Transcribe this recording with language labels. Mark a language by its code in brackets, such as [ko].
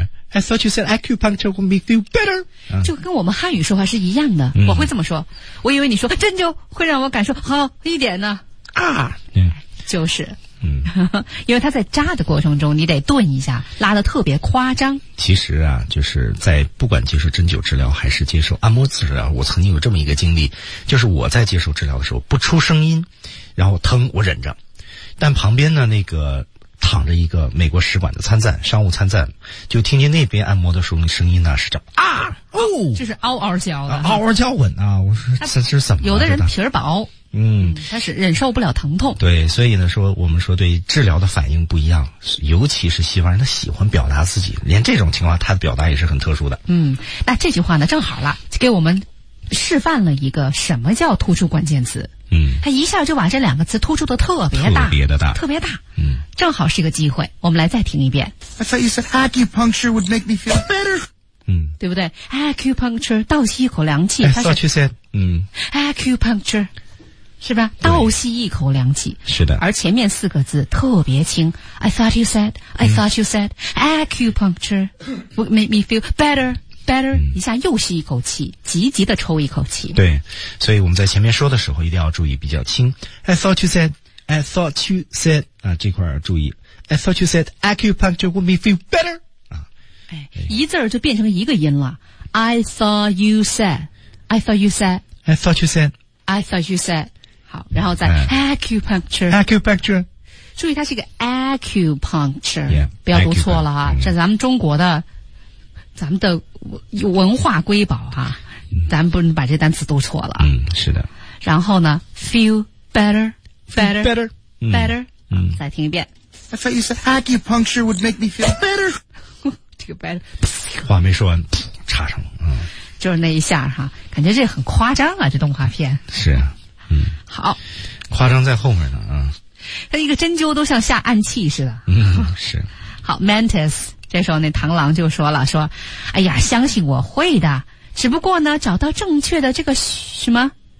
[en] I thought you said acupuncture would make you better. [zh] 就跟我们汉语说话是一样的。嗯、我会这么说。我以为你说针灸会让我感受好一点呢。啊，嗯，就是，嗯，因为他在扎的过程中，你得顿一下，拉得特别夸张。其实啊，就是在不管接受针灸治疗还是接受按摩治疗，我曾经有这么一个经历，就是我在接受治疗的时候不出声音，然后疼我忍着，但旁边呢那个。躺着一个美国使馆的参赞，商务参赞，就听见那边按摩的时候，那声音呢是叫啊哦，就是嗷嗷叫的，嗷嗷叫稳啊！我说这是怎么？有的人皮儿薄，嗯，他是忍受不了疼痛。对，所以呢，说我们说对治疗的反应不一样，尤其是西方人，他喜欢表达自己，连这种情况他的表达也是很特殊的。嗯，那这句话呢，正好了，给我们示范了一个什么叫突出关键词。嗯，他一下就把这两个词突出的特别大，特别的大，特别大。嗯，正好是个机会，我们来再听一遍。 [en] I thought you said acupuncture would make me feel better。 [zh] 嗯，对不对 ？Acupuncture， 倒吸一口凉气。 [en] I thought you said， 嗯 [zh] ，acupuncture， 是吧？倒吸一口凉气。是的。而前面四个字特别轻。 [en] I thought you said， I thought you said acupuncture would make me feel better。 [zh] Better， 一下又吸一口气，急急的抽一口气。对，所以我们在前面说的时候一定要注意比较轻。 [en] I thought you said, I thought you said [zh] 啊，这块注意。 [en] I thought you said acupuncture would make me feel better 啊， [zh] 哎，一字就变成一个音了。 [en] I thought you said, I thought you said, I thought you said, I thought you said。 [zh] 好，然后再， [en] acupuncture, acupuncture。 [zh] 注意，它是一个 acupuncture， [en] yeah, [zh] 不要读错了啊，这咱们中国的。咱们的文化瑰宝哈，嗯，咱们不能把这单词读错了。嗯，是的。然后呢 [en] ，feel better, better, better, better。 [zh] 嗯，再听一遍。 [en] I thought you said acupuncture would make me feel better. [zh] 这个 better，话没说完，插上了。嗯，就是那一下哈，感觉这很夸张啊，这动画片。是啊，嗯。好，夸张在后面呢啊。他一个针灸都像下暗器似的。嗯，是。好 ，mantis。这时候那螳螂就说了，说哎呀相信我会的，只不过呢找到正确的这个什么